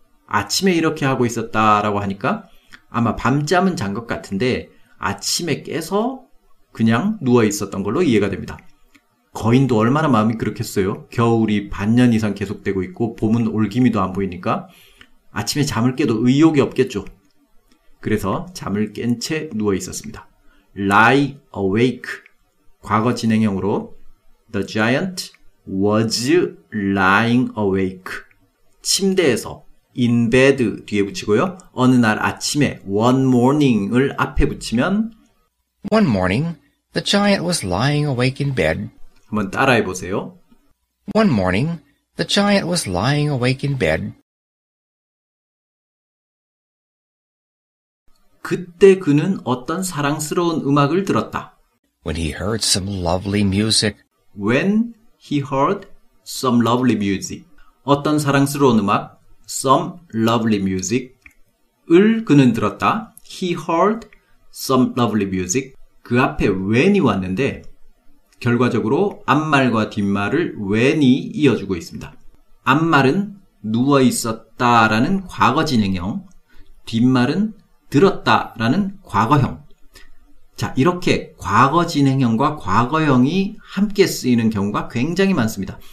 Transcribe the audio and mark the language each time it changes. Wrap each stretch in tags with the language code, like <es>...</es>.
<ko>아침에 이렇게 하고 있었다 라고 하니까 아마 밤잠은 잔 것 같은데 아침에 깨서 그냥 누워있었던 걸로 이해가 됩니다. 거인도 얼마나 마음이 그렇겠어요? 겨울이 반년 이상 계속되고 있고 봄은 올기미도 안 보이니까 아침에 잠을 깨도 의욕이 없겠죠. 그래서 잠을 깬 채 누워있었습니다.</ko> <en>Lie awake.</en> <ko>과거 진행형으로</ko> <en>The giant was lying awake.</en> <ko>침대에서</ko> <en>in bed</en> <ko>뒤에 붙이고요. 어느 날 아침에</ko> <en>one morning</en> <ko>을 앞에 붙이면</ko> <en>one morning the giant was lying awake in bed.</en> <ko>한번 따라해 보세요.</ko> <en>One morning the giant was lying awake in bed.</en> <ko>그때 그는 어떤 사랑스러운 음악을 들었다.</ko> <en>When he heard some lovely music. When he heard some lovely music.</en> <ko>어떤 사랑스러운 음악</ko> <en>some lovely music</en> <ko>을 그는 들었다.</ko> <en>He heard some lovely music.</en> <ko>그 앞에 when이 왔는데 결과적으로 앞말과 뒷말을 when이 이어주고 있습니다. 앞말은 누워있었다 라는 과거진행형, 뒷말은 들었다 라는 과거형. 자, 이렇게 과거진행형과 과거형이 함께 쓰이는 경우가 굉장히 많습니다.</ko>